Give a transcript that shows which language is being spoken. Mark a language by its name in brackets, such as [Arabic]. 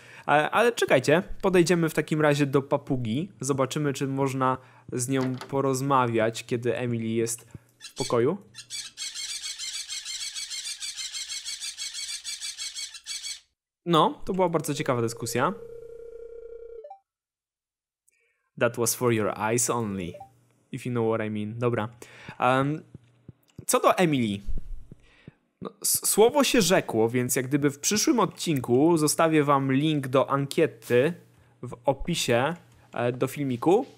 [Polish] Ale czekajcie, podejdziemy w takim razie do papugi. Zobaczymy, czy można z nią porozmawiać, kiedy Emily jest w pokoju. No, to była bardzo ciekawa dyskusja. [English] That was for your eyes only, if you know what I mean. [Polish] Dobra. Co do Emily? No, słowo się rzekło, więc jak gdyby w przyszłym odcinku zostawię wam link do ankiety w opisie do filmiku.